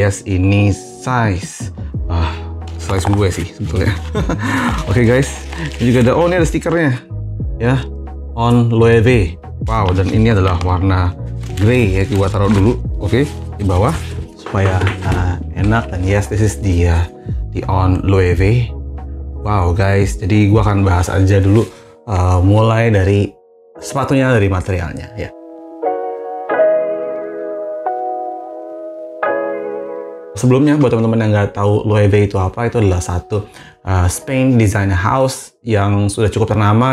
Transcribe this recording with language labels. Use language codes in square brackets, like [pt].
[id] Yes, ini size size gue sih sebetulnya. Oke guys, ini juga ada, oh ini ada stikernya ya, On Loewe. Wow, dan ini adalah warna grey ya, gue taruh dulu, oke, di bawah supaya enak. Dan [en] yes, this is the On Loewe. [id] Wow guys, jadi gue akan bahas aja dulu mulai dari sepatunya, dari materialnya ya. Sebelumnya buat teman-teman yang nggak tahu Loewe itu apa, itu adalah satu Spain design house yang sudah cukup ternama.